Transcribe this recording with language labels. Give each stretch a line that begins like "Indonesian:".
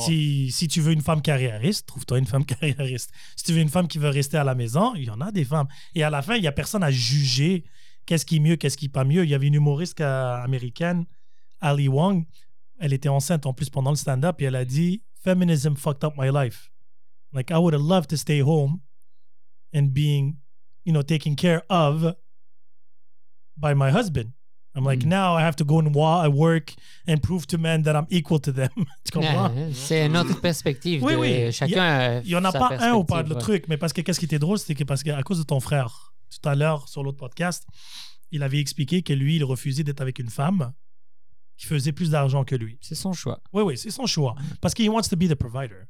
French: Si tu veux une femme carriériste, trouve-toi une femme carriériste. Si tu veux une femme qui veut rester à la maison, il y en a des femmes. Et à la fin, il n'y a personne à juger qu'est-ce qui est mieux, qu'est-ce qui est pas mieux. Il y avait une humoriste américaine, Ali Wong, elle était enceinte en plus pendant le stand-up, et elle a dit «
English: Feminism fucked up my life. Like, I would have loved to stay home and being, you know, taken care of by my husband. I'm like, now I have to go and work and prove to men that I'm equal to them. »
French: Tu comprends?
English: Yeah,
French: c'est notre perspective. Oui, de, oui. Chacun il n'y en a pas un ou pas de le truc. Mais parce que qu'est-ce qui était drôle, c'est que parce qu'à cause de ton frère, tout à l'heure sur l'autre podcast, il avait expliqué que lui, il refusait d'être avec une femme qui faisait plus d'argent que lui. C'est son choix. Oui, oui, c'est son choix. Parce qu'il
English: wants to be the provider.